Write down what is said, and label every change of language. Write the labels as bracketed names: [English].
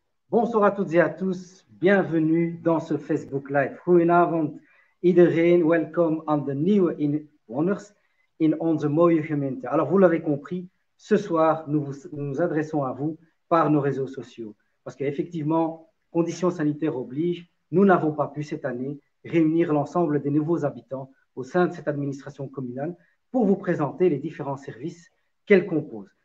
[French] Bonsoir à toutes et à tous. Bienvenue dans ce Facebook Live. [Dutch] Goedenavond iedereen. [English] Welcome on the new [Dutch] inwoners in onze mooie gemeente. [French] Alors, vous l'avez compris, ce soir, nous adressons à vous par nos réseaux sociaux. Parce qu'effectivement, conditions sanitaires obligent, nous n'avons pas pu cette année réunir l'ensemble des nouveaux habitants au sein de cette administration communale pour vous présenter les différents services qu'elle compose.